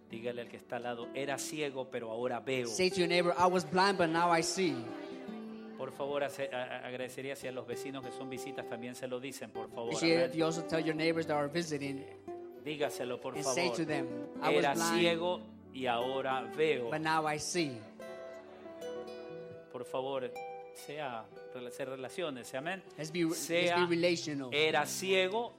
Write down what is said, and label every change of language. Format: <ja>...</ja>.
<es>Dígale al que está al lado, era ciego, pero ahora veo.</es> <en>Say to your neighbor, I was blind, but now I see.</en> <es>Por favor, agradecería si a los vecinos que son visitas también se lo dicen, por favor.</es> <en>If you also tell your neighbors that are visiting,</en> <es>dígaselo, por</es> <en>and</en> <es>favor.</es> <en>Say to them, I</en> <es>era</es> <en>was blind,</en> <es>ciego y ahora veo.</es> <en>But now I see.</en> <es>Por favor, sea hacer relaciones, amén.</es> <en>Sea be relational.</en> <es>Era ciego,</es>